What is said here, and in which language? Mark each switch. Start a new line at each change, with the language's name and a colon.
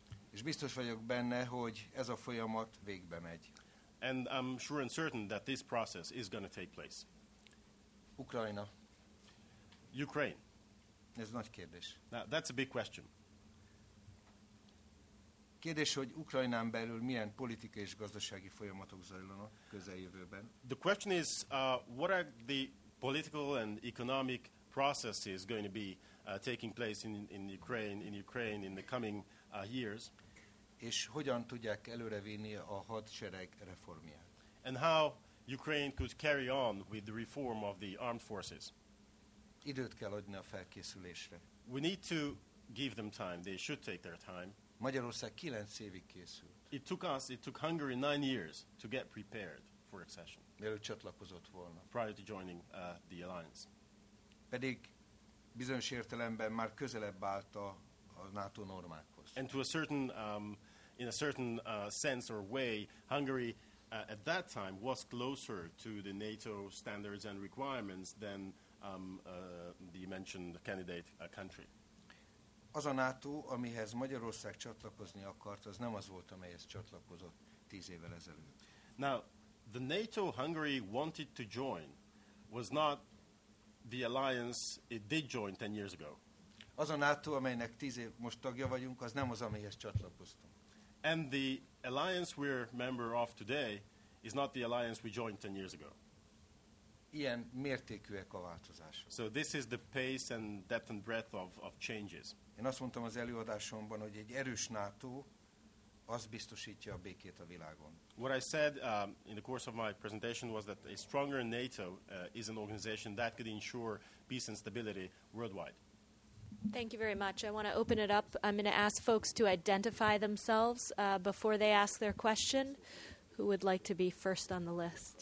Hungarian: És biztos vagyok benne, hogy ez a folyamat végbe megy.
English: And I'm sure and certain that this process is going to take place.
Hungarian: Ukrajna.
English: Ukraine.
Hungarian: Ez nagy kérdés.
English: Now, that's a big question.
Hungarian: Kérdés, hogy Ukrajnán belül milyen politikai és gazdasági folyamatok zajlanak közeljövőben.
English: The question is, what are the political and economic processes going to be taking place in Ukraine in the coming years.
Hungarian: És hogyan tudják előrevinni a hadsereg reformját?
English: And how Ukraine could carry on with the reform of the armed forces.
Hungarian: időt kell adni a felkészülésre.
English: We need to give them time. They should take their time.
Hungarian: Magyarország 9 évig készült.
English: It took Hungary 9 years to get prepared for accession.
Hungarian: Mielőtt csatlakozott volna.
English: Prior to joining the alliance.
Hungarian: Pedig bizonyos értelemben már közelebb állt a NATO normákhoz.
English: And to a certain sense or way, Hungary at that time was closer to the NATO standards and requirements than the mentioned candidate country.
Hungarian: Az a NATO, amihez Magyarország csatlakozni akart, az nem az volt, amelyhez csatlakozott 10 évvel ezelőtt.
English: Now, the NATO Hungary wanted to join was not the alliance it did join 10 years ago.
Hungarian: Az a NATO, amelynek 10 év most tagja vagyunk, az nem az, amihez csatlakoztunk.
English: And the alliance we're member of today is not the alliance we joined 10 years ago.
Hungarian: Ilyen mértékűek a változások.
English: So this is the pace and depth and breadth of changes.
Hungarian: Én azt mondtam az előadásomban, hogy egy erős NATO az biztosítja a békét a világon.
English: What I said in the course of my presentation was that a stronger NATO is an organization that could ensure peace and stability worldwide. Thank you very much. I want to open it up. I'm going to ask folks to identify themselves before they ask their question. Who would like to be first on the list?